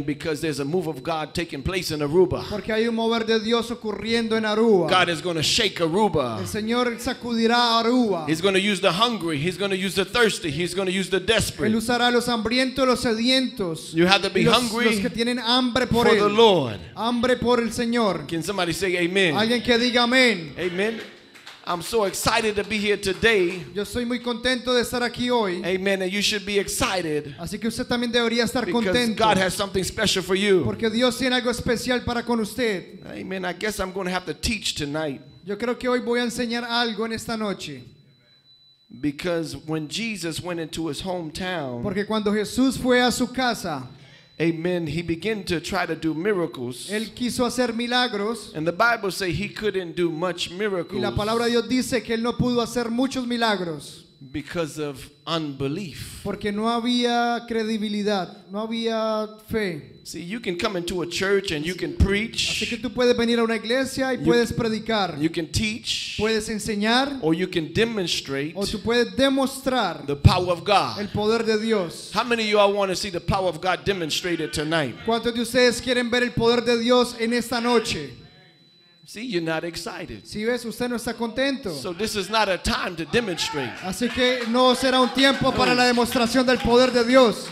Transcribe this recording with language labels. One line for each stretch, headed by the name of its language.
English: Because there's a move of God taking place in Aruba.
Spanish: Porque hay un mover de Dios ocurriendo en Aruba.
English: God is going to shake Aruba.
Spanish: El Señor sacudirá Aruba.
English: He's going to use the hungry. He's going to use the thirsty. He's going to use the desperate.
Spanish: Él usará los hambrientos, los sedientos.
English: You have to be hungry.
Spanish: Los que tienen hambre por
English: él. For the Lord.
Spanish: Hambre por el Señor.
English: Can somebody say amen?
Spanish: Alguien que diga amén.
English: Amen. I'm so excited to be here today.
Spanish: Yo soy muy contento de estar aquí hoy.
English: Amen. And you should be excited.
Spanish: Así que usted también debería estar contento.
English: Because God has something special for you.
Spanish: Porque Dios tiene algo especial para con usted.
English: Amen. I guess I'm going to have to teach tonight.
Spanish: Yo creo que hoy voy a enseñar algo en esta noche.
English: Because when Jesus went into his hometown.
Spanish: Porque cuando Jesús fue a su casa.
English: Amen. He began to try to do miracles.
Spanish: Él quiso hacer milagros.
English: And the Bible says he couldn't do much miracles.
Spanish: Y la palabra de Dios dice que él no pudo hacer muchos milagros.
English: Because of unbelief.
Spanish: Porque no había credibilidad, no había fe.
English: See, you can come into a church and you can preach.
Spanish: Así que tú puedes venir a una iglesia y puedes predicar.
English: You can teach.
Spanish: Puedes enseñar.
English: Or you can demonstrate.
Spanish: O tú puedes demostrar.
English: The power of God.
Spanish: El poder de Dios.
English: How many of you all want to see the power of God demonstrated tonight?
Spanish: ¿Cuántos de ustedes quieren ver el poder de Dios en esta noche?
English: See, you're not excited.
Spanish: Si ves, usted no está contento.
English: So this is not a time to demonstrate.
Spanish: Así que no será un tiempo para la demostración del poder de Dios.